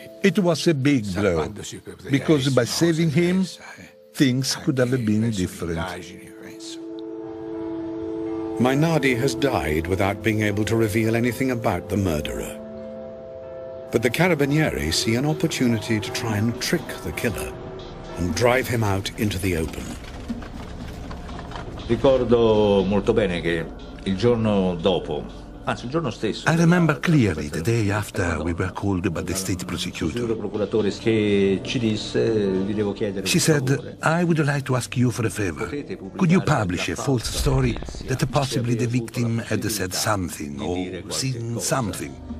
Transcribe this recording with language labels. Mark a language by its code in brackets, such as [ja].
[en] It was a big blow, because by saving him, things could have been different. Mainardi has died without being able to reveal anything about the murderer. But the carabinieri see an opportunity to try and trick the killer and drive him out into the open. [it] Ricordo molto bene che il giorno dopo, anzi il giorno stesso. [en] I remember clearly the day after we were called by the state prosecutor. [it] Procuratore che ci disse vi devo chiedere. [en] She said, I would like to ask you for a favor. Could you publish a false story that possibly the victim had said something or seen something?